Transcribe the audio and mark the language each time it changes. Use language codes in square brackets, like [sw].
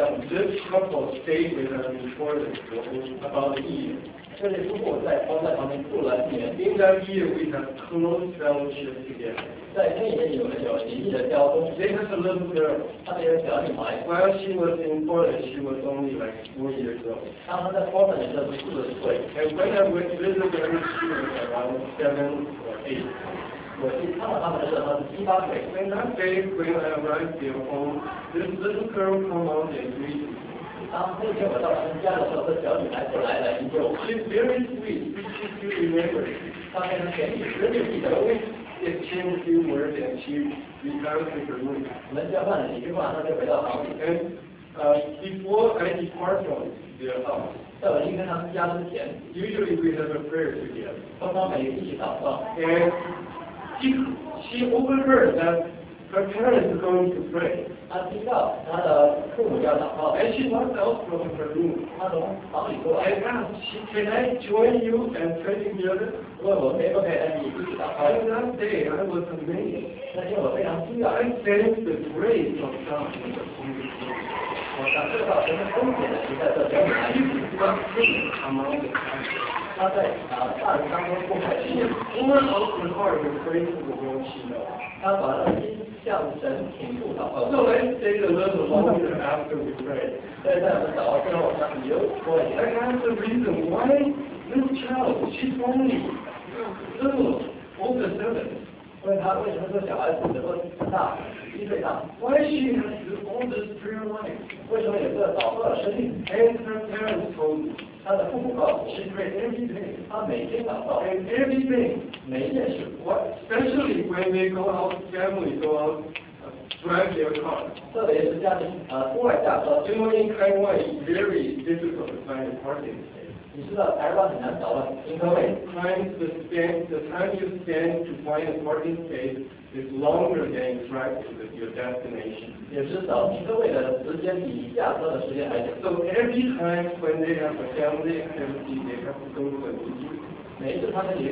[en] This couple stayed with us in Jordan for about a year. [zh] 这对夫妇在我在旁边住了一年。 [en] In that year, we had close fellowship together. [zh] 在那边有紧密的交通。 [en] They have a little girl. While she was in Portland, she was only like 4 years old. [zh] 他们在 Portland 的时候是四岁。 [en] And when I went to visit them, she was around 7 or 8. [zh] 我去看到他们的时候是7、8岁。 [en] And that day, when I arrived there home, this little girl came out and greeted me. [zh] 当那天我到他们家的时候，这小女孩就来了迎接我。 [en] She's very sweet. Which you still remember? [zh] 她非常甜蜜，真的记得。 [en] Exchange a few words and she returned to her room. [zh] 我们交换了几句话，她就回到房里。 [en] And before I depart from their house, [zh] 在我离开他们家之前 [en] ，usually we have a prayer together. [zh] 双方每人一起祷告。 [en] And she overheard that her parents are going to pray. [zh] 她听到她的父母要祷告。 [en] And she walked out from her room. [zh] 她从房里出来。 [en] And asked, "Can I join you and pray together?" Okay, that day, I was amazed. I thank the grace of God in the Holy Spirit. And she poured out her heart with praise to the Lord, she knows. So let's stay a little longer after we pray. I ask the reason why this child, she's only. Why she has all this prayer life? And her parents told me. And every day, especially when they go out, family go out drive their car. [zh] 特别是这样的，户外驾车。 [en] You know, in Taiwan, it's very difficult to find a parking space. [zh] 你知道台湾很难找到停车位。 [en] The time you spend to find a parking space is longer than drive to your destination. [zh] 也是找停车位的时间比驾车的时间还久。 [en] So every time when they have a family activity, they have to go to a city.